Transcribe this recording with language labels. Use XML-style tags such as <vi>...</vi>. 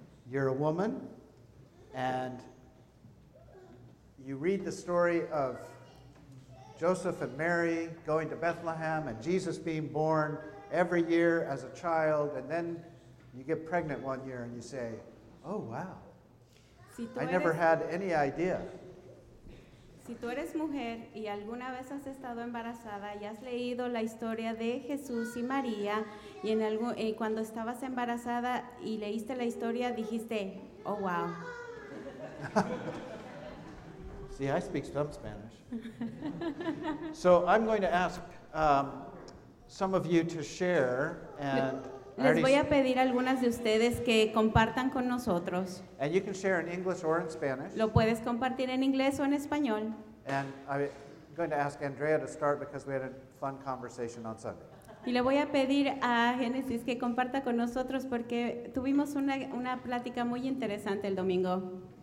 <en>You're a woman, and you read the story of Joseph and Mary going to Bethlehem and Jesus being born every year as a child, and then you get pregnant one year and you say, oh, wow, I never had any idea.</en> <es>Si tú eres mujer y alguna vez has estado embarazada y has leído la historia de Jesús y María y en algún, cuando estabas embarazada y leíste la historia, dijiste, oh, wow.</es> <en>See, I speak some Spanish. So I'm going to ask some of you to share, and</en> <es>Les voy a pedir a algunas de ustedes que compartan con nosotros.</es> <en>And you can share in English or in Spanish.</en> <es>Lo puedes compartir en inglés o en español.</es> <en>And I'm going to ask Andrea to start because we had a fun conversation on Sunday.</en> <es>Y le voy a pedir a Genesis que comparta con nosotros porque tuvimos una plática muy interesante el domingo.</es>